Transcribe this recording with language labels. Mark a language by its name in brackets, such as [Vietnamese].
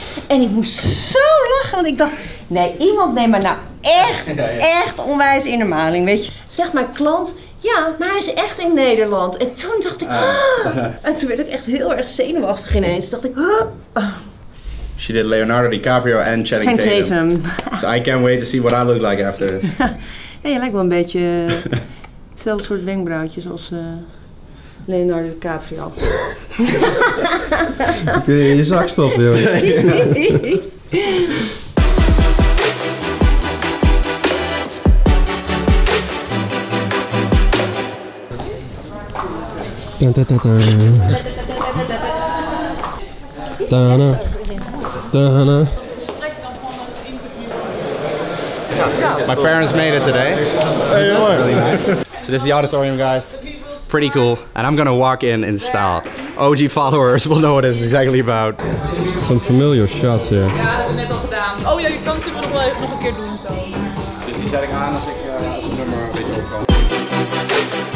[Dutch] En ik moest zo lachen, want ik dacht, nee, iemand neemt me nou echt onwijs in de maling, weet je. Zeg mijn klant, ja, maar hij is echt in Nederland. En toen dacht ik, En toen werd ik echt heel erg zenuwachtig ineens. Toen dacht ik, [English] She did Leonardo DiCaprio and Channing Tatum. So I can't wait to see what I look like after this. [Dutch] Hey, je lijkt wel een beetje hetzelfde soort wenkbrauwtjes als Leonardo DiCaprio. Kun je in je zak stoppen, joh. Tada. [English] My parents made it today. Hey, that's really nice. So this is the auditorium, guys. Pretty cool. And I'm gonna walk in style. OG followers will know what it's exactly about. Some familiar shots here. [Dutch] Ja, dat hebben we net al gedaan. Oh ja, je kan het nog wel even nog een keer doen. Dus die zet ik aan als ik als een nummer een beetje opkom.